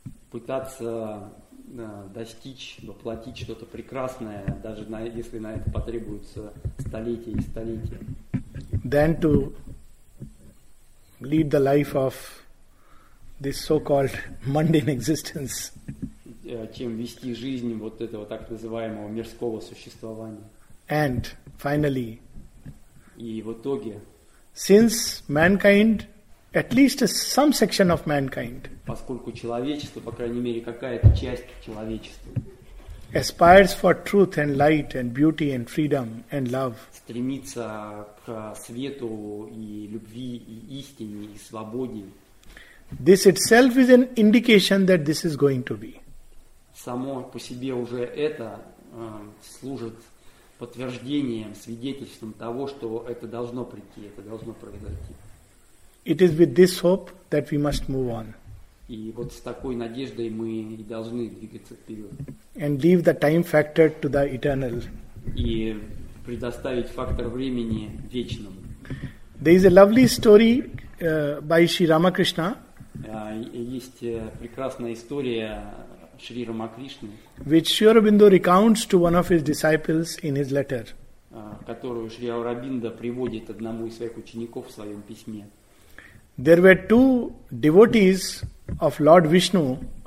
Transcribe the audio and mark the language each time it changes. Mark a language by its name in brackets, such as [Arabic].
[Russian] Пытаться достичь, воплотить что-то прекрасное, даже если на это потребуется столетия и столетия. [English] Then to lead the life of this so-called mundane existence. [Russian] Чем вести жизнь вот этого так называемого мирского существования. [English] And finally, [Russian] и в итоге, [English] since mankind, at least some section of mankind, [Russian] поскольку человечество, по крайней мере, какая-то часть человечества, [English] aspires for truth and light and beauty and freedom and love, [Russian] стремится к свету и любви и истине и свободе. [English] This itself is an indication that this is going to be. [Russian] Само по себе уже это служит подтверждением, свидетельством того, что это должно прийти, это должно произойти. [English] It is with this hope that we must move on. [Russian] И вот с такой надеждой мы и должны двигаться вперед. [English] And leave the time factor to the eternal. [Russian] И предоставить фактор времени вечному. [English] There is a lovely story by Sri Ramakrishna. [Russian] Есть прекрасная история Шри Рамакришны, [English] which Sri Aurobindo recounts to one of his disciples in his letter, [Russian] которую Шри Аурабинда приводит одному из своих учеников в своем письме. [English] There were two devotees of Lord Vishnu.